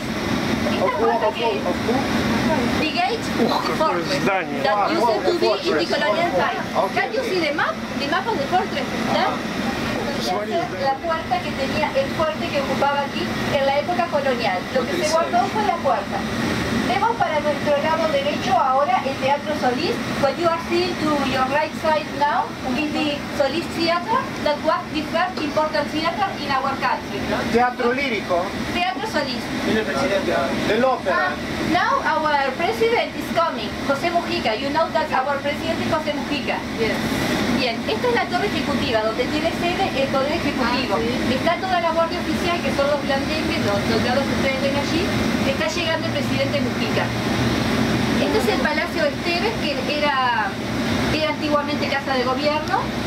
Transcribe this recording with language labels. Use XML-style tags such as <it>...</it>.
<en>The gate of the fortress that used to be in the colonial time. Can you see the map? The map of the fortress.</en> <es>La puerta que tenía el fuerte que ocupaba aquí en la época colonial. Lo que se guardó fue la puerta. Vemos para nuestro lado derecho ahora el Teatro Solís.</es> <en>What you are seeing to your right side now is the Solís Theater, that was the first important theater in our country.</en> <es>Teatro lírico. Teatro Solís. De la ópera.</es> <en>Now our president is coming, José Mujica. You know that our president is José Mujica. Yes.</en> <es>Bien, esta es la torre ejecutiva, donde tiene sede el poder ejecutivo. Sí. Está toda la guardia oficial, que son los blandengues, los soldados que ustedes ven allí. Está llegando el presidente Mujica. Este es el Palacio Esteves, que era antiguamente casa de gobierno.</es>